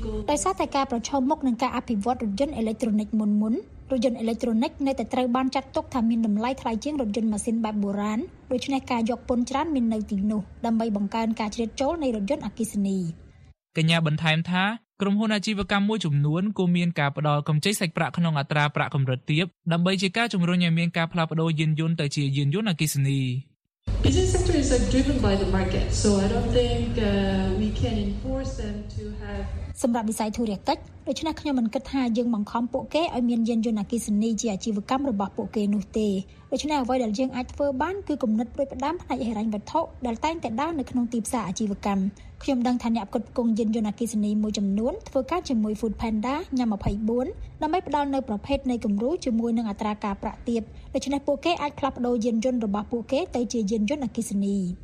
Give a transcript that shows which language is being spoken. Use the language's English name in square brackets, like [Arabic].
[Khmer] ដោយសារតែការប្រឈមមុខនឹងការអភិវឌ្ឍរថយន្តអេឡិចត្រូនិកមុនរថយន្តអេឡិចត្រូនិកនៅតែត្រូវបានចាត់ទុកថាមានតម្លៃថ្លៃជាងរថយន្តម៉ាស៊ីនបែបបុរាណដូច្នេះការយកពន្ធច្រើនមាននៅទីនោះដើម្បីបង្កើនការជ្រៀតចូលនៃរថយន្តអគ្គិសនី កញ្ញាបន្ថែមថាក្រុមហ៊ុនអាជីវកម្មមួយចំនួនក៏មានការផ្តល់កម្ចីសាច់ប្រាក់ក្នុងអត្រាប្រាក់កម្រិតទាបដើម្បីជាការជំរុញឲ្យមានការផ្លាស់ប្តូរយានយន្តទៅជាយានយន្តអគ្គិសនី [English] Business sector incentives are driven by the market, so I don't think we can enforce them to have [Khmer] សម្រាប់វិស័យធុរកិច្ចដូច្នេះខ្ញុំមិនគិតថាយើងបង្ខំពួកគេឲ្យមានយានយន្តអគ្គិសនីជាអាជីវកម្មរបស់ពួកគេនោះទេដូច្នេះអ្វីដែលយើងអាចធ្វើបានគឺគំនិតប្រយោជន៍ផ្ដាំផ្នែកហិរញ្ញវត្ថុដែលតែងតែដើរនៅក្នុងទីផ្សារអាជីវកម្មខ្ញុំដឹងថាអ្នកផ្គត់ផ្គង់យានយន្តអគ្គិសនីមួយចំនួនធ្វើការជាមួយ Food Panda ញ៉ាំ24ដើម្បីផ្ដល់នូវប្រភេទនៃគំរូជាមួយនឹងអត្រាការប្រាក់ទាបដូច្នេះពួកគេអាចផ្លាស់ប្ដូរយានយន្តរបស់ពួកគេទៅជាយានយន្តអគ្គិសនី